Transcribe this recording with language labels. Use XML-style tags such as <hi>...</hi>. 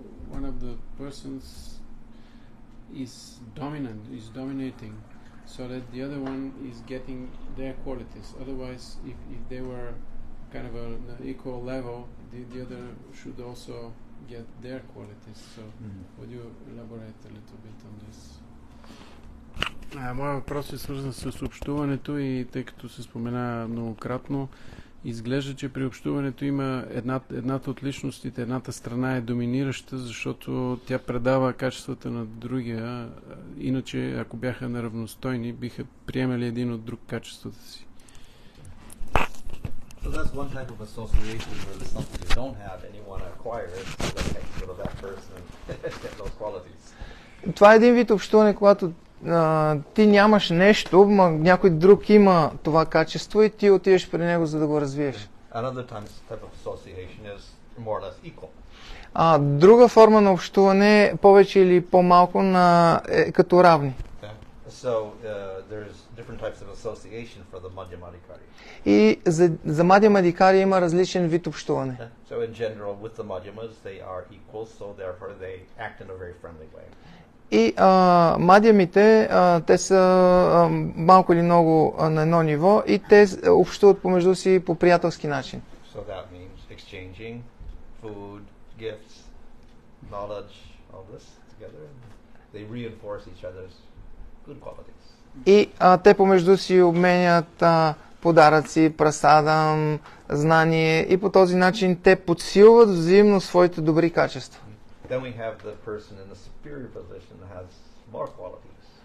<en>One of the persons is dominating, so that the other one is getting their qualities. Otherwise, if they were kind of an equal level, the other should also get their qualities. So, mm-hmm. Would you elaborate a little bit on this?</en> <bg>Моя въпрос е свързан с общуването и тъй като се спомена многократно, изглежда, че при общуването има едната от личностите, едната страна е доминираща, защото тя предава качествата на другия. Иначе, ако бяха наравностойни, биха приемали един от друг качествата си.</bg> <en>So that's one type of association where there's something you don't have, anyone acquires, so that you can go to that person and get those qualities.</en> <bg>Това е един вид общуване, когато ти нямаш нещо, но някой друг има това качество и ти отиваш при него, за да го развиеш.</bg> <en>Another type of association is more or less equal.</en> <bg>Друга форма на общуване е повече или по-малко като равни.</bg> <en>So, there's different types of association for the Madhya Madhikari.</en> <bg>И за Madhya Madhikari има различен вид общуване.</bg> <en>So in general with the Madhyamas they are equal, so therefore they act in a very friendly way.</en> <bg>И мадиамите, те са малко или много на едно ниво и те общуват помежду си по приятелски начин.</bg> <en>So that means exchanging food, gifts, knowledge, all this together. They reinforce each other's good qualities.</en> <bg>И те помежду си обменят подаръци, прасадам, знание и по този начин те подсилват взаимно своите добри качества.</bg> <en>Then we have the person in the superior position that has more qualities.</en>